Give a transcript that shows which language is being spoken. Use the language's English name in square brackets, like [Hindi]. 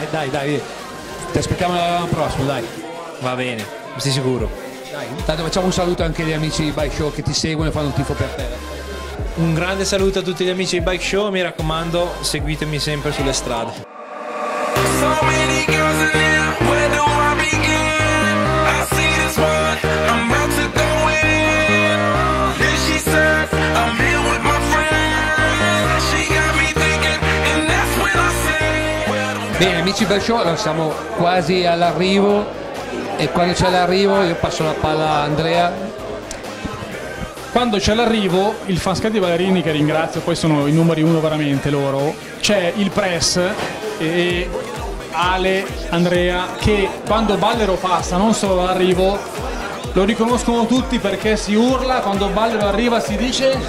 [Italian] dai, ti aspettiamo l'anno prossimo, dai. Va bene, sei sicuro? Dai, intanto facciamo un saluto anche agli amici di Bike Show che ti seguono e fanno un tifo per te. Un grande saluto a tutti gli amici di Bike Show, mi raccomando, seguitemi sempre sulle strade. [English] So many girls in here, where do I begin? I see this one, I'm about to go in. Then she says, I'm here with my friend. She got me thinking, and that's when I said. [Italian] Bene, amici del show, allora siamo quasi all'arrivo, e quando c'è l'arrivo io passo la palla a Andrea. Quando c'è l'arrivo, il fanscat di Ballerini, che ringrazio, poi sono i numeri uno veramente loro, c'è il press, e Ale, Andrea, che quando Ballero passa, non solo l'arrivo, lo riconoscono tutti, perché si urla quando Ballero arriva, si dice